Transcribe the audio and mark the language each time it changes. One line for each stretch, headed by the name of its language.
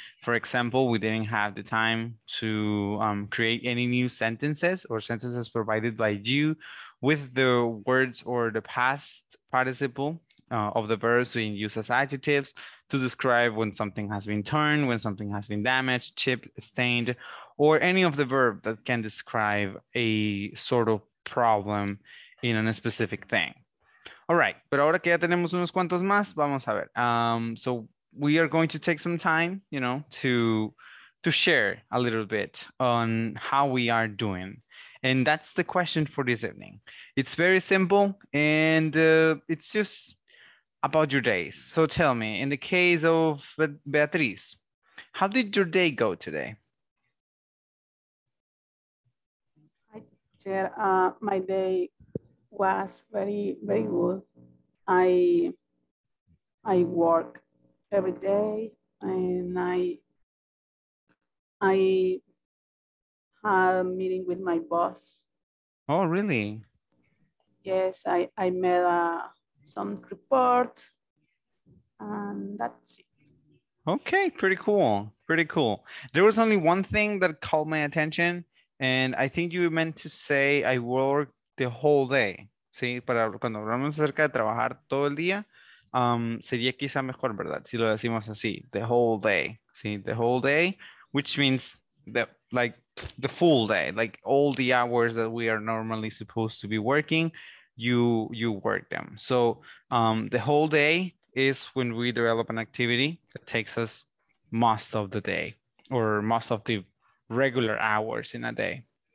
English: For example, we didn't have the time to create any new sentences or sentences provided by you with the words or the past participle of the verbs being used as adjectives to describe when something has been torn, when something has been damaged, chipped, stained, or any of the verb that can describe a sort of problem in a specific thing. All right,
Spanish: pero ahora que ya tenemos unos cuantos más, vamos a ver.
English: So we are going to take some time, you know, to share a little bit on how we are doing. And that's the question for this evening. It's very simple, and it's just about your days. So tell me, in the case of Beatriz, how did your day go today? Hi, teacher. My day was very, very good. I work every day, and I had a meeting with my boss. Oh, really? Yes, I met some report, and that's it. Okay, pretty cool, pretty cool. There was only one thing that caught my attention, and I think you meant to say I worked the whole day.
Spanish: Sí, para cuando hablamos acerca de trabajar todo el día, sería quizá mejor, ¿verdad? Si lo decimos así,
English: the whole day. Sí, the whole day, which means the full day, like all the hours that we are normally supposed to be working, you work them. So the whole day is when we develop an activity that takes us most of the day or most of the regular hours in a day.